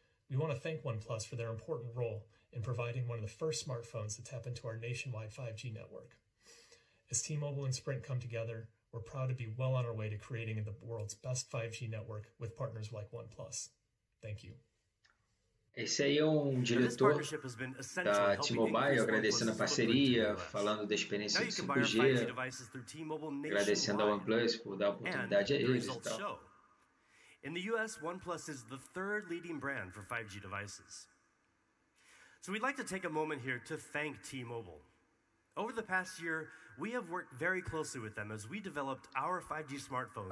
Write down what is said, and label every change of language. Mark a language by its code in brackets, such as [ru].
[en] We want to thank OnePlus for their important role in providing one of the first smartphones to tap into our nationwide 5G network. As T-Mobile and Sprint come together, we're proud to be well on our way to creating the world's best 5G network with partners like OnePlus. Thank you. [pt] Esse aí é um diretor da T-Mobile agradecendo a parceria, falando da experiência do 5G, agradecendo a OnePlus por dar a oportunidade a eles e tal. [en] In the US, OnePlus is the third leading brand for 5G devices. So we'd like to take a moment here to thank T-Mobile. Over the past year, we have worked very closely with them as we developed our 5G smartphones.